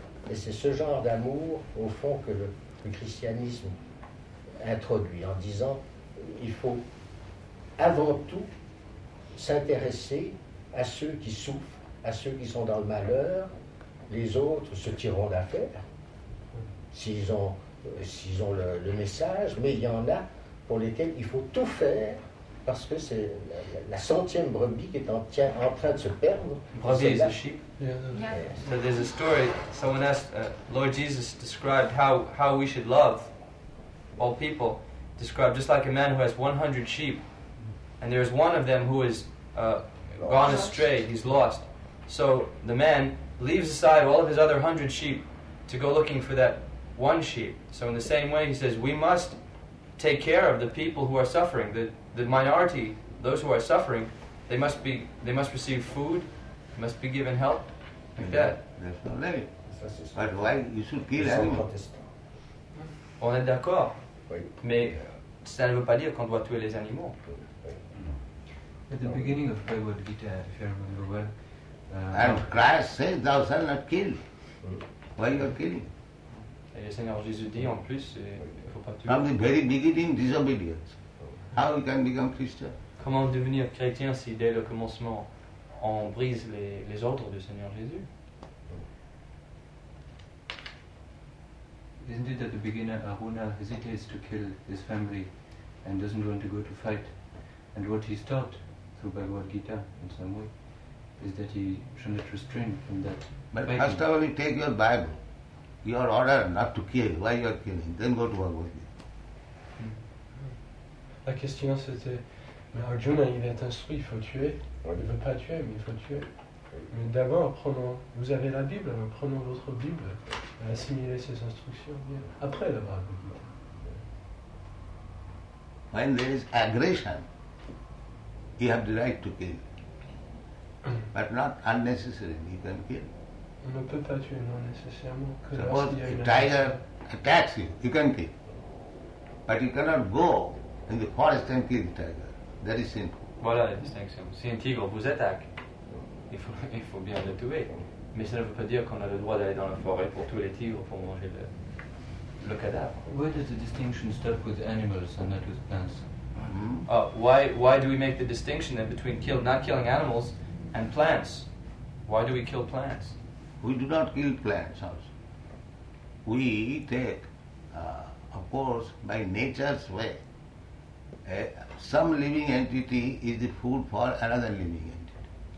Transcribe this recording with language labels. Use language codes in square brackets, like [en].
[fr] Et c'est ce genre d'amour, au fond, que le christianisme introduit en disant il faut avant tout s'intéresser à ceux qui souffrent, à ceux qui sont dans le malheur. Les autres se tireront d'affaire s'ils ont le message, mais il y en a pour lesquels il faut tout faire parce que c'est la centième brebis qui est en train de se perdre. [en] Brebis is a sheep. Yeah. So there's a story. Someone asked Lord Jesus described how we should love all people. Described just like a man who has 100 sheep, and there is one of them who is gone astray. He's lost. So the man leaves aside all of his other 100 sheep to go looking for that one sheep. So in the same way, he says, we must take care of the people who are suffering, the minority, those who are suffering. They must receive food, must be given help, like that. That's not living. But why you should kill animals? [fr] On est d'accord. Mais ça ne veut pas dire qu'on doit tuer les animaux. [en] At the beginning of Bhagavad Gita, if you remember well, and Christ says, thou shalt not kill. Why you are killing? [fr] Et le Seigneur Jésus dit en plus, il ne faut pas tuer. [en] From the very beginning, disobedience. How you can become Christian? [fr] Comment devenir chrétien si dès le commencement on brise les ordres du Seigneur Jésus? [en] Isn't it that the beginner Aruna hesitates to kill his family and doesn't want to go to fight? And what he's taught through Bhagavad Gita in some way is that he should not restrain from that. But first of all, you take your Bible, your order not to kill, why you are killing, then go to Bhagavad Gita. [fr] La question c'était, mais Arjuna il est instruit, il faut tuer. Il ne veut pas tuer, mais il faut tuer. Mais d'abord, prenons, vous avez la Bible, prenons votre Bible, assimilez ses instructions, bien. Après le Bhagavad Gita. [en] When there is aggression, you have the right to kill. But not unnecessarily, you can kill. [fr] On ne peut pas tuer non nécessairement. [en] Suppose a tiger attacks you, you can kill. But you cannot go in the forest and kill the tiger. That is sinful. [fr] Voilà la distinction. Si un tigre vous attaque, il faut bien le tuer. Mais ça ne veut pas dire qu'on a le droit d'aller dans la forêt pour tuer les tigres pour manger le cadavre. [en] Where does the distinction stop with animals and not with plants? Why do we make the distinction then between not killing animals and plants? Why do we kill plants? We do not kill plants also. We take, of course, by nature's way, some living entity is the food for another living entity.